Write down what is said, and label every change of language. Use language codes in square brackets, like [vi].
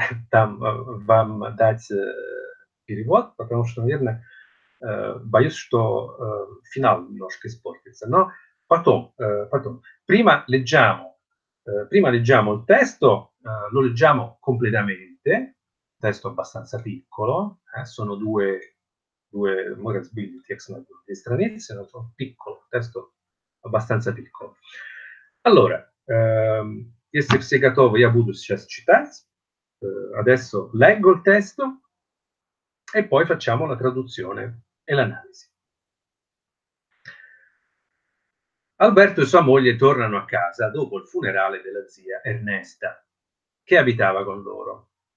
[ru] Там вам дать перевод, потому что, наверное, боюсь, что финал немножко испортится. Но потом. [it] Prima leggiamo il testo, lo leggiamo completamente, testo abbastanza piccolo, sono due morazbilli, di stranezze, no? Sono piccolo, testo abbastanza piccolo. Allora, [ru] если все готовы, я буду сейчас читать. [it] Adesso leggo il testo e poi facciamo la traduzione e l'analisi. Alberto e sua moglie tornano a casa dopo il funerale della zia Ernesta, che abitava con loro.